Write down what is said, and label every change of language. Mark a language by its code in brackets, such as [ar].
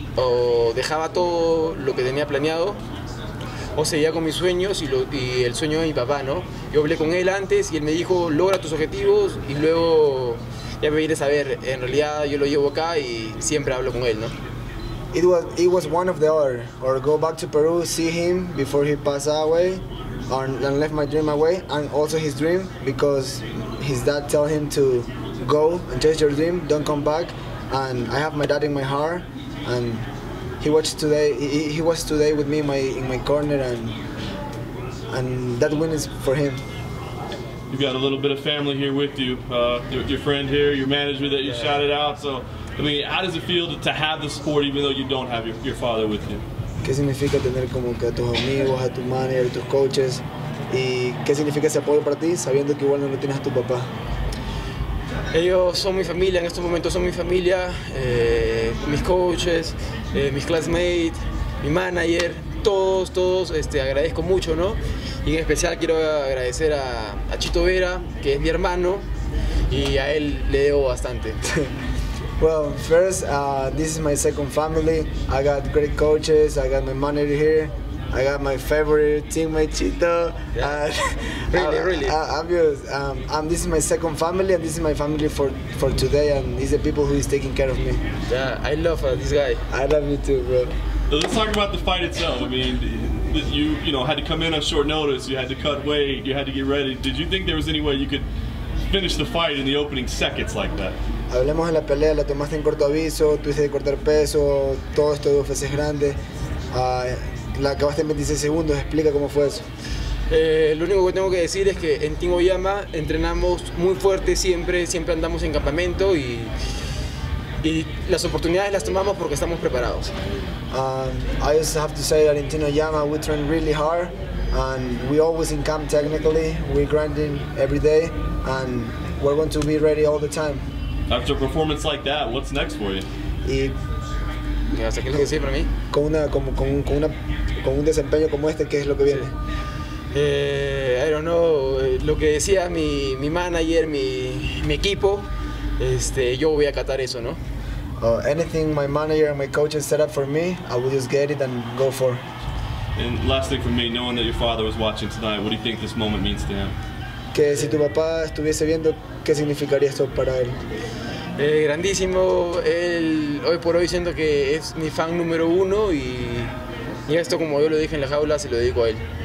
[es] O dejaba todo lo que tenía planeado, o seguía con mis sueños y el sueño de mi papá, ¿no? Yo hablé con él antes y él me dijo, logra tus objetivos y luego ya me iré a saber. En realidad yo lo llevo acá y siempre hablo con él, ¿no? [en] It was one of the other, or go back to Peru, see him before he passed away, and left my dream away, and also his dream, because his dad told him to go and chase your dream, don't come back, and I have my dad in my heart, and he was today with me in my corner, and that win is for him. You've got a little bit of family here with you, your friend here, your manager that you shouted out, so. I mean, how does it feel to have the support even though you don't have your father with you? [es] ¿Qué significa tener como que a tus amigos, a tu manager, a tus coaches? ¿Y qué significa ese apoyo para ti sabiendo que igual no tienes a tu papá? Ellos son mi familia, en estos momentos son mi familia, mis coaches, mis classmates, mi manager, todos, agradezco mucho, ¿no? Y en especial quiero agradecer a Chito Vera, que es mi hermano, y a él le debo bastante. [en] Well, first, this is my second family. I got great coaches, I got my manager here, I got my favorite teammate, Chito. Yeah. This is my second family, and this is my family for today, and these are people who is taking care of me. Yeah, I love this guy. I love you too, bro. Let's talk about the fight itself. I mean, you had to come in on short notice, you had to cut weight, you had to get ready. Did you think there was any way you could finish the fight in the opening seconds like that? [es] Hablemos de la pelea, la tomaste en corto aviso, tuviste que cortar peso, todo esto de UFC es grande. La acabaste en 26 segundos, explica cómo fue eso. Lo único que tengo que decir es que en Team Oyama entrenamos muy fuerte siempre andamos en campamento y las oportunidades las tomamos porque estamos preparados. [en] I just have to say that in Team Oyama we train really hard and we always in camp technically, we're grinding every day and we're going to be ready all the time. After a performance like that, what's next for you? [es] ¿Y hasta qué es lo que sigue para mí? Con un desempeño como este, ¿qué es lo que viene? [en] I don't know. [es] Lo que decía mi manager, mi equipo, yo voy a acatar eso, ¿no? [en] Anything my manager and my coach set up for me, I will just get it and go for. And last thing for me, knowing that your father was watching tonight, what do you think this moment means to him? [es] Que si tu papá estuviese viendo, ¿qué significaría esto para él? Grandísimo. Él hoy por hoy siento que es mi fan número uno y esto, como yo lo dije en la jaula, se lo dedico a él.